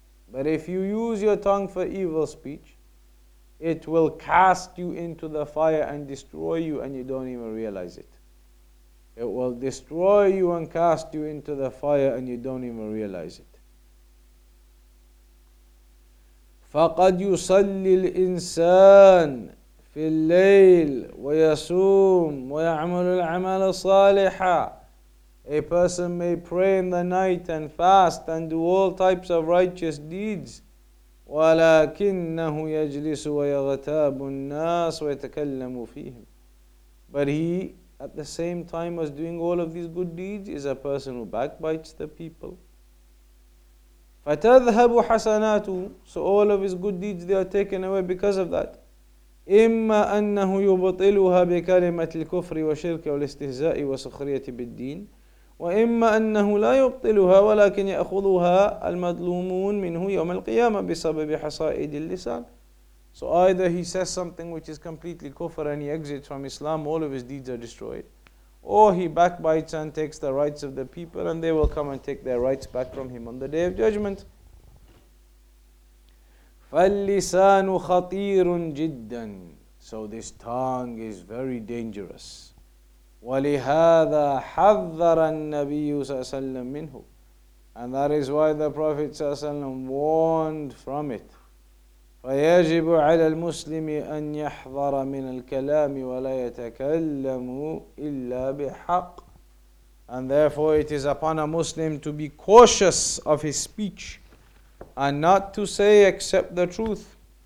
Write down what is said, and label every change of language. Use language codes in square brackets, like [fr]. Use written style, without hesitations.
[en] But if you use your tongue for evil speech, it will cast you into the fire and destroy you, and you don't even realize it. It will destroy you and cast you into the fire, and you don't even realize it. [ar] فَقَدْ يُصَلِّي الْإِنسَانُ في الليل ويصوم ويعمل الأعمال الصالحة. [en] A person may pray in the night and fast and do all types of righteous deeds. [ar] ولكنه يجلس ويغتاب الناس ويتكلم فيهم. [en] But he, at the same time as doing all of these good deeds, is a person who backbites the people. [ar] فتذهب حسناته. [en] So all of his good deeds, they are taken away because of that. [ar] إما أنه يبطلها بكلمة الكفر وشرك والاستهزاء وسخرية بالدين وإما أنه لا يبطلها ولكن يأخذها المظلومون منه يوم القيامة بسبب حصائد اللسان. [en] So either he says something which is completely kufr and he exits from Islam, all of his deeds are destroyed. Or he backbites and takes the rights of the people and they will come and take their rights back from him on the Day of Judgment. [ar] فاللسان خطير جدا. [en] So this tongue is very dangerous. [ar] ولهذا حذر النبي صلى الله عليه وسلم منه. [en] And that is why the Prophet صلى الله عليه وسلم warned from it. [ar] فيجب على المسلم أن يحذر من الكلام ولا يتكلم إلا بحق. [en] And therefore it is upon a Muslim to be cautious of his speech and not to say except the truth.